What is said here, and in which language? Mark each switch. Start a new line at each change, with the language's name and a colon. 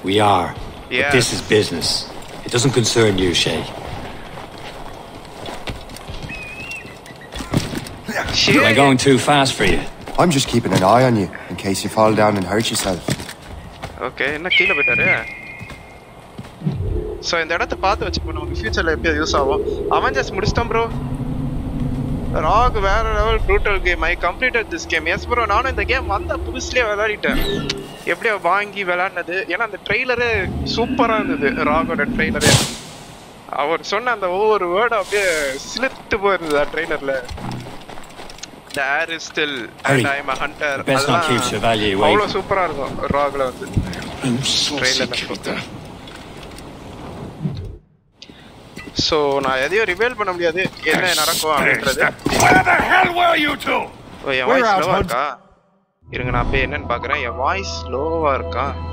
English: We are. Yes. But this is business. It doesn't concern you, Shay. Am I going too fast for you? I'm just keeping an eye on you in case you fall down and hurt yourself. Okay, na kila bitare.
Tamil: So இந்த இடத்தை பார்த்து வச்சுப்போம், நமக்கு ஃபியூச்சரில் எப்படியாவது use ஆகும். Avengers முடிச்சிட்டோம் bro. Rock வேற level brutal game.
English: I completed this game. Yes bro,
Tamil: நானும் இந்த கேம் வந்த புதுசுலேயே விளையாடிட்டேன். எப்படியோ வாங்கி விளையாடினது. ஏன்னா அந்த ட்ரெய்லரே சூப்பராக இருந்தது. ராகோட ட்ரெய்லரே அவர் சொன்ன அந்த ஒவ்வொரு வேர்டும் அப்படியே சிலுத்து போயிருந்தது ஆ ட்ரெய்லரில்.
English: The air is still and I am a hunter.
Tamil: அவ்வளோ சூப்பராக இருக்கும் ராகில் வந்து ட்ரெய்லரில். சோ நான் எதையும் ரிவீல் பண்ண முடியாது என்ன நடக்கும் அப்படின்றது.
English: Where the hell were you two?
Tamil: N voice ஸ்லோவா இருக்கா இருங்க, நான் போய் என்னன்னு பாக்குறேன். என் வாய்ஸ் ஸ்லோவா இருக்கா?